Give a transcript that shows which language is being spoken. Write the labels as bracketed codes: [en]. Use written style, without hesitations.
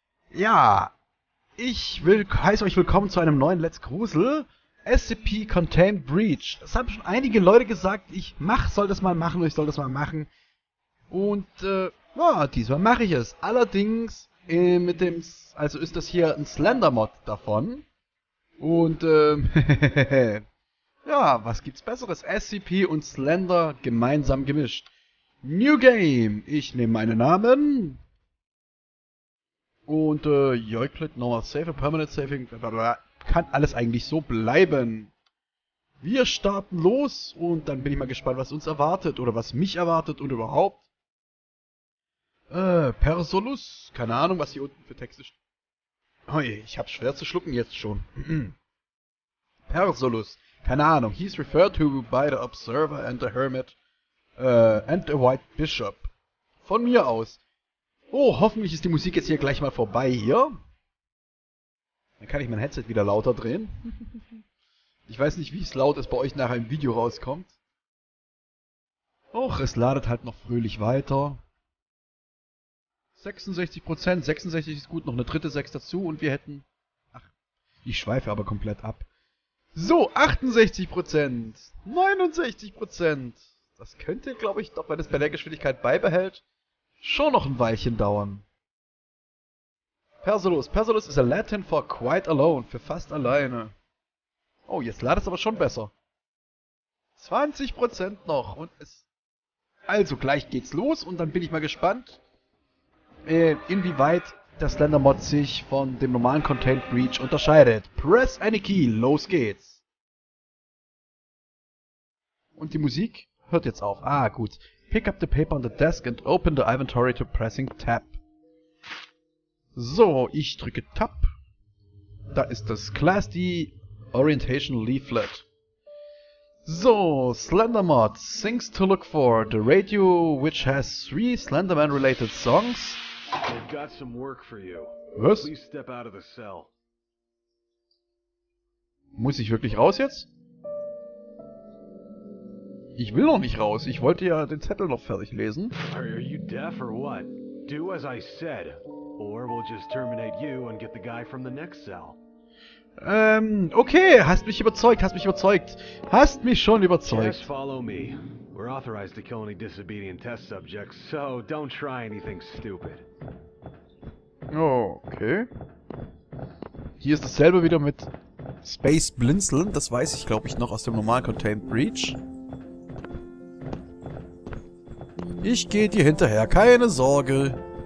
[de] Ja, heiße euch willkommen zu einem neuen Let's Grusel. SCP Contained Breach. Das haben schon einige Leute gesagt, ich soll das mal machen. Und, diesmal mache ich es. Allerdings, also ist das hier ein Slender-Mod davon. Und, ja, was gibt's Besseres? SCP und Slender gemeinsam gemischt. [en] New Game! [de] Ich nehme meinen Namen. Und, Joiklet, Normal Safe, Permanent Saving, blablabla. Kann alles eigentlich so bleiben. Wir starten los und dann bin ich mal gespannt, was uns erwartet oder was mich erwartet und überhaupt. Persolus? Keine Ahnung, was hier unten für Texte steht. Oi, ich hab's schwer zu schlucken jetzt schon. Persolus. Keine Ahnung, [en] he's referred to by the Observer and the Hermit, and the White Bishop. [de] Von mir aus. Oh, hoffentlich ist die Musik jetzt hier gleich mal vorbei hier. Dann kann ich mein Headset wieder lauter drehen. Ich weiß nicht, wie es laut ist, bei euch nachher im Video rauskommt. Och, es ladet halt noch fröhlich weiter. 66%, 66 ist gut, noch eine dritte 6 dazu und wir hätten... Ach, ich schweife aber komplett ab. So, 68%, 69%. Das könnte, glaube ich, doch, wenn es bei der Geschwindigkeit beibehält, schon noch ein Weilchen dauern. Persolus. [en] Persolus is a Latin for quite alone, [de] für fast alleine. Oh, jetzt ladet es aber schon besser. 20% noch und es... Also, gleich geht's los und dann bin ich mal gespannt, inwieweit der Slender-Mod sich von dem normalen Contained Breach unterscheidet. [en] Press any key, [de] los geht's. Und die Musik hört jetzt auf. Ah, gut. [en] Pick up the paper on the desk and open the inventory to pressing tab. [de] So, ich drücke tab. Da ist das Class D Orientation Leaflet. [en] So, Slender-Mod. Things to look for. The radio, which has 3 Slenderman-related songs. I've got some work for you. [de] Was? [en] Please step out of the cell. [de] Muss ich wirklich raus jetzt? Ich will noch nicht raus. Ich wollte ja den Zettel noch fertig lesen. [en] Are you deaf or what? Do as I said, or we'll just terminate you and get the guy from the next cell. [de] Okay, hast mich schon überzeugt. [en] Just follow me. We're authorized to kill any disobedient test subjects, so don't try anything stupid. [de] Okay. Hier ist dasselbe wieder mit Space Blinzeln. Das weiß ich, glaube ich, noch aus dem normalen Contained Breach. Ich gehe dir hinterher, keine Sorge.